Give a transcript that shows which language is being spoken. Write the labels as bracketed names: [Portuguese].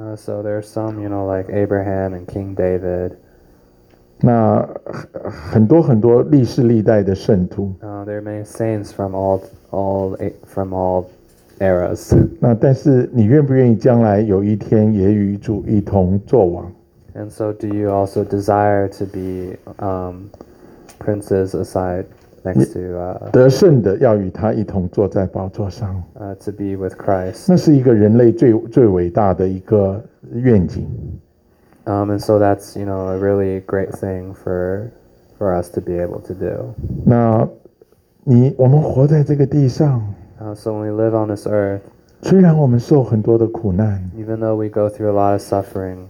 [English] So there's some, you know, like Abraham and King David. [Chinese] 那很多很多历世历代的圣徒。 [English] There are many saints from all eras. [Chinese] 那但是你愿不愿意将来有一天也与主一同作王 [English] ？And so do you also desire to be princes aside 得 [Chinese] 胜的要与他一同坐在宝座上。 [English] To be with Christ. [Chinese] 那是一个人类最伟大的一个愿景。 [English] And so that's, you know, a really great thing for us to be able to do. [Chinese] 那我们活在这个地上。 [English] So when we live on this earth. [Chinese] 虽然我们受很多的苦难。 [English] Even though we go through a lot of suffering.